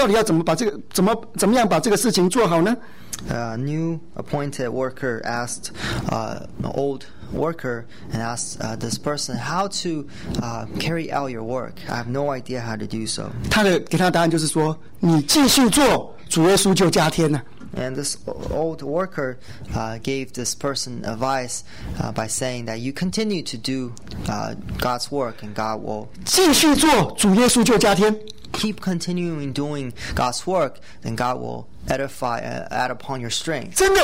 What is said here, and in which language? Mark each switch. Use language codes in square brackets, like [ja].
[zh] 那一个新的工人呢，就问一个在里面服侍一段时间的工人说：“你的工作这么繁琐，你到那个我一点经验都没有，到底要怎么把这个怎么样把这个事情做好呢？” [en] New appointed worker asked an old worker and asked this person how to carry out your work. I have no idea how to do so. [zh] 他的给他的答案就是说：“你继续做，主耶稣就加添了。” [en] And this old worker gave this person advice by saying that you continue to do God's work and God will [zh] 继续做，主耶稣就加添。 [en] Keep continuing doing God's work, then God will edify add upon your strength.